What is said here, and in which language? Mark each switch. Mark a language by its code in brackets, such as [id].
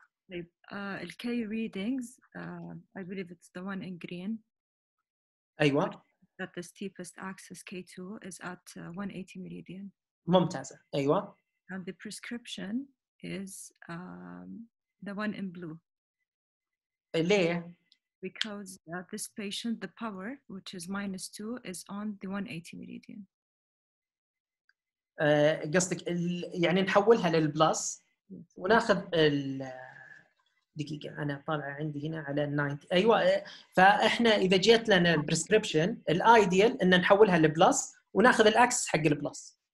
[en] طيب الكي readings I believe it's the one in green. [ar] ايوه [en] that the steepest axis K2 is at 180 meridian. [ar] ممتازة. أيوة. [en] And the prescription is the one in blue. [ar] ليه؟ [en] Because this patient, the power, which is minus 2, is on the 180 meridian. [ar] قصدك يعني نحولها للبلس وناخذ ال... دقيقة أنا طالع عندي هنا على 90. أيوة، فإحنا إذا جيت لنا البريسكريبشن الأيديال إن نحولها لبلس وناخذ الأكس حق البلس.